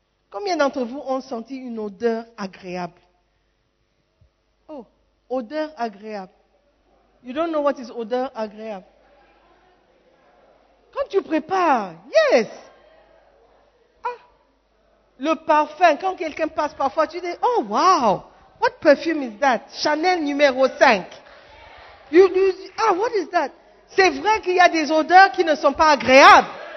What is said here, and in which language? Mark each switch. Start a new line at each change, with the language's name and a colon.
French: Combien d'entre vous ont senti une odeur agréable? Oh, odeur agréable.
English: You don't know what is
French: odeur agréable. Quand tu prépares, yes. Ah, le parfum, quand quelqu'un passe parfois, tu dis,
English: oh wow, what perfume is that? Chanel numéro 5. What is that?
French: C'est vrai qu'il y a des odeurs qui ne sont pas agréables.